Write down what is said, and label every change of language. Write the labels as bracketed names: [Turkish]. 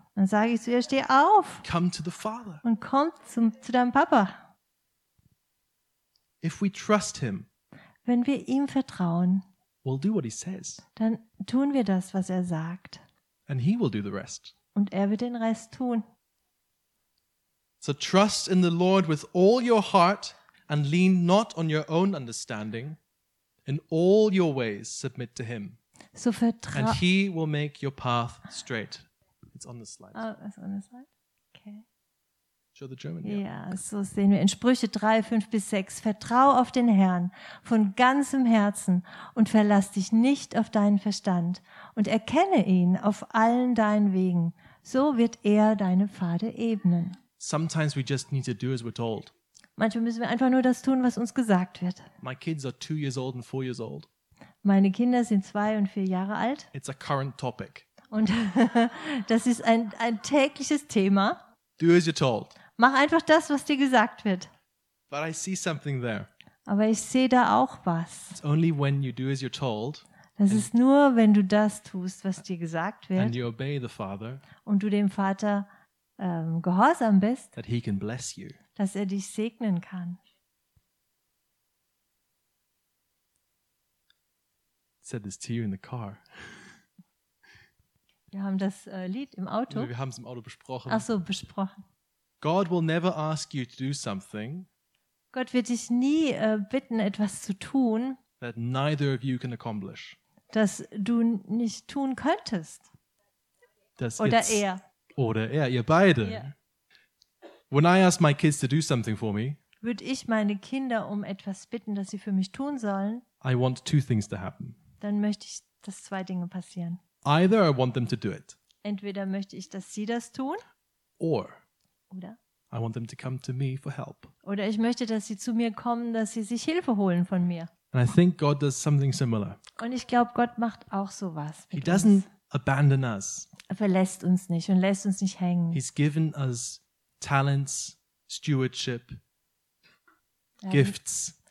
[German] Dann sage ich zu ihr, steh auf. [English] Come to the Father. [German] Und komm zu deinem Papa. [English] If we trust him, [German] wenn wir ihm vertrauen, [English] we'll do what he says. [German] Dann tun wir das, was er sagt. [English] And he will do the rest. [German] Und er wird den Rest tun. [English] So trust in the Lord with all your heart and lean not on your own understanding. In all your ways submit to him. [German] So vertrau. [English] And he will make your path straight. It's on the slide. Oh, it's on the slide. Okay. Show the German. Yeah, [German] yeah, so sehen wir in Sprüche 3, 5 bis 6. Vertrau auf den Herrn von ganzem Herzen und verlass dich nicht auf deinen Verstand und erkenne ihn auf allen deinen Wegen. So wird er deine Pfade ebnen. [English] Sometimes we just need to do as we're told. [German] Manchmal müssen wir einfach nur das tun, was uns gesagt wird. [English] My kids are 2 years old and 4 years old. [German] Meine Kinder sind 2 und 4 Jahre alt. [English] It's a current topic. [German] Und das ist ein tägliches Thema. [English] Do as you're told. [German] Mach einfach das, was dir gesagt wird. [English] But I see something there. [German] Aber ich sehe da auch was. [English] It's only when you do as you're told. [German] Das ist nur, wenn du das tust, was dir gesagt wird. [English] And you obey the Father. [German] Und du dem Vater gehorsam bist. [English] That he can bless you. [German] Dass er dich segnen kann. [English] Said this to you in the car. [German] Wir haben das Lied im Auto. Wir haben es im Auto besprochen. Ach so, besprochen. [English] God will never ask you to do something. [German] Gott wird dich nie bitten, etwas zu tun. [English] That neither of you can accomplish. [German] Das du nicht tun könntest. Das oder er. Oder er, ihr beide. [English] Yeah. When I ask my kids to do something for me. [German] Würde ich meine Kinder um etwas bitten, das sie für mich tun sollen. [English] I want two things to happen. [German] Dann möchte ich, dass 2 Dinge passieren. [English] Either I want them to do it. [German] Entweder möchte ich, dass sie das tun. [English] Or. [German] Oder. [English] I want them to come to me for help. [German] Oder ich möchte, dass sie zu mir kommen, dass sie sich Hilfe holen von mir. [English] And I think God does something similar. [German] Und ich glaube, Gott macht auch sowas. [English] He doesn't abandon us. [German] Er verlässt uns nicht und lässt uns nicht hängen. [English] He's given us talents, stewardship, gifts.